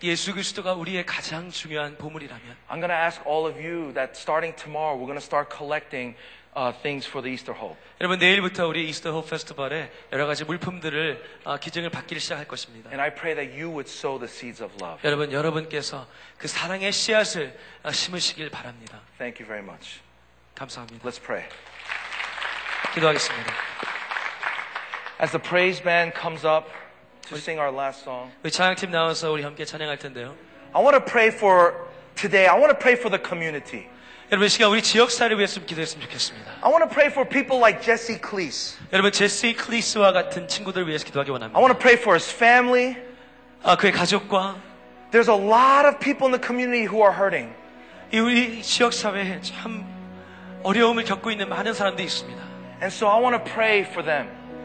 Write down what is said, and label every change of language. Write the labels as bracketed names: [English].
[Korean] 예수 그리스도가 우리의 가장 중요한 보물이라면, [English] I'm going to ask all of you that starting tomorrow, we're going to start collecting things for the Easter Hope. [Korean] 여러분 내일부터 우리 Easter Hope Festival에 여러 가지 물품들을 기증을 받기를 시작할 것입니다. [English] And I pray that you would sow the seeds of love. [Korean] 여러분께서 그 사랑의 씨앗을 심으시길 바랍니다. [English] Thank you very much. [Korean] 감사합니다. [English] Let's pray. [Korean] 기도하겠습니다. [English] As the praise band comes up to sing our last song, [Korean] 우리 찬양팀 나와서 우리 함께 찬양할 텐데요. [English] I want to pray for today. I want to pray for the community. [Korean] 여러분 이 시간 우리 지역 사회를 위해서 기도했으면 좋겠습니다. [English] I want to pray for people like Jesse Cleese. [Korean] 여러분 제시 클리스와 같은 친구들 위해서 기도하기 원합니다. [English] I want to pray for his family. [Korean] 그의 가족과. [English] There's a lot of people in the community who are hurting. [Korean] 이 우리 지역 사회에 참 어려움을 겪고 있는 많은 사람들이 있습니다. [English] And so I want to pray for them.